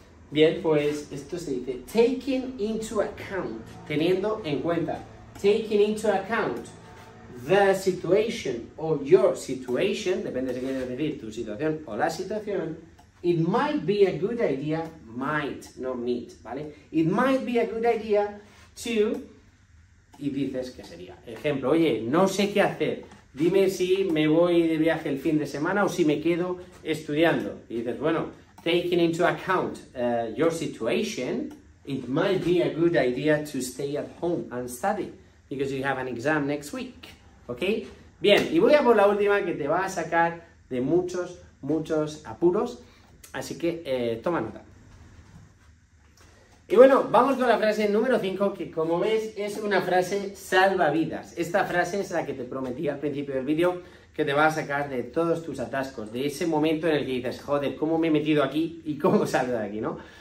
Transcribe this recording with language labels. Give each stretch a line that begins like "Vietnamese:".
Spanish: Bien, pues esto se dice
English: taking into account,
Spanish: teniendo en cuenta,
English: taking into account the situation or your situation,
Spanish: depende si quieres decir tu situación o la situación,
English: it might be a good idea, might, no might,
Spanish: ¿vale?
English: It might be a good idea to,
Spanish: y dices que sería. Ejemplo, oye, no sé qué hacer, dime si me voy de viaje el fin de semana o si me quedo estudiando. Y dices, bueno.
English: Taking into account your situation, it might be a good idea to stay at home and study because you have an exam next week.
Spanish: ¿Ok? Bien, y voy a por la última que te va a sacar de muchos, muchos apuros. Así que toma nota. Y bueno, vamos con la frase número 5, que como ves es una frase salvavidas. Esta frase es la que te prometí al principio del vídeo, que te va a sacar de todos tus atascos, de ese momento en el que dices, joder, ¿cómo me he metido aquí y cómo salgo de aquí, no?